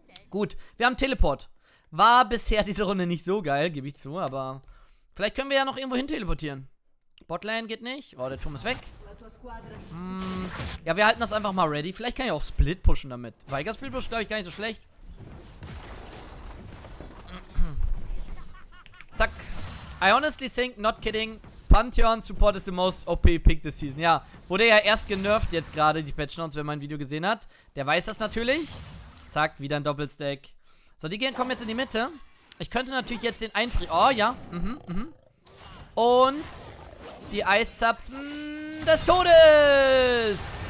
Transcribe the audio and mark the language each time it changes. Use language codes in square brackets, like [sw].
[de] Gut, wir haben Teleport. War bisher diese Runde nicht so geil, gebe ich zu, aber... Vielleicht können wir ja noch irgendwo hin teleportieren. Botlane geht nicht. Oh, der Turm ist weg. Ja, wir halten das einfach mal ready. Vielleicht kann ich auch Split pushen damit. Valka Split pushen, glaube ich, gar nicht so schlecht. Zack. [en] I honestly think, not kidding, Pantheon Support is the most OP pick this season. [de] Ja, wurde ja erst genervt jetzt gerade, die Patchnons, wer mein Video gesehen hat. Der weiß das natürlich. Zack, wieder ein Doppelstack. So, die gehen, kommen jetzt in die Mitte. Ich könnte natürlich jetzt den Einfrier... Oh, ja. Und die Eiszapfen des Todes.